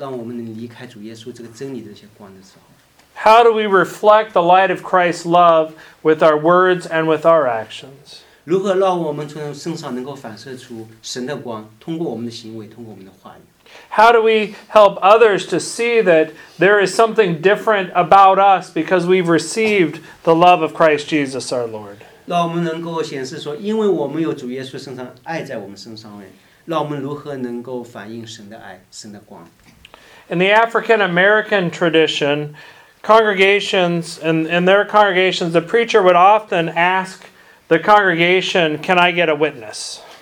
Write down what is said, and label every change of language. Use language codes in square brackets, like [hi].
[zh] 我们如何来为这光做见证，当周围有这么多假的光，或者假的让我们离开主耶稣这个真理的这些光的时候？ [en] How do we reflect the light of Christ's love with our words and with our actions? [zh] 如何让我们从身上能够反射出神的光，通过我们的行为，通过我们的话语？ [en] How do we help others to see that there is something different about us because we've received the love of Christ Jesus our Lord? [zh] 让我们能够显示说，因为我们有主耶稣身上爱在我们身上，让我们如何能够反映神的爱，神的光？ [en] In the African American tradition, congregations, in their congregations, the preacher would often ask the congregation, "Can I get a witness?"